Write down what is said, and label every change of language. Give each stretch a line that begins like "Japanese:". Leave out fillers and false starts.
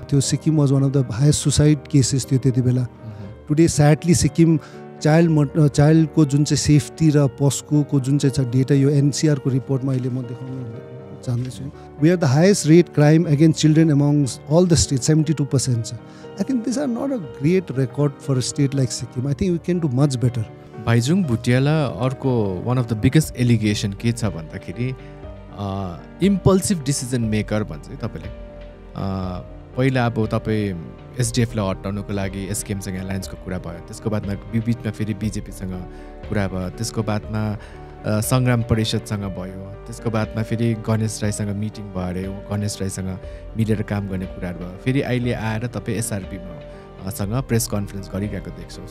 Nepali: त्यो
English: Sikkim was one of the highest suicide cases
Nepali: थियो त्यति बेला. टुडे स्याडली सिक्किम चाइल्डको जुन चाहिँ सेफ्टी र पस्कोको जुन चाहिँ छ डेटा, यो एनसिआरको रिपोर्टमा अहिले म देखाउन चाहँदैछु,
English: we are the highest rate crime against children amongst all the state,
Nepali: 72% छ.
English: I think this are not a great record for a state like Sikkim. I think you can do much better.
Nepali: Bhaichung भुटियालाई अर्को
English: one of the biggest allegation
Nepali: के छ भन्दाखेरि,
English: impulsive decision maker
Nepali: भन्छ तपाईँले. पहिला अब तपाईँ एसडिएफलाई हटाउनुको लागि एसकेएमसँग एलायन्सको कुरा भयो, त्यसको बादमा बिचमा फेरि बिजेपीसँग कुरा भयो, त्यसको बादमा सङ्ग्राम परिषदसँग भयो, त्यसको बादमा फेरि गणेश राईसँग मिटिङ भयो अरे, गणेश राईसँग मिलेर काम गर्ने कुराहरू भयो, फेरि अहिले आएर तपाईँ एसआरपीमासँग प्रेस कन्फरेन्स गरिरहेको देख्छौ.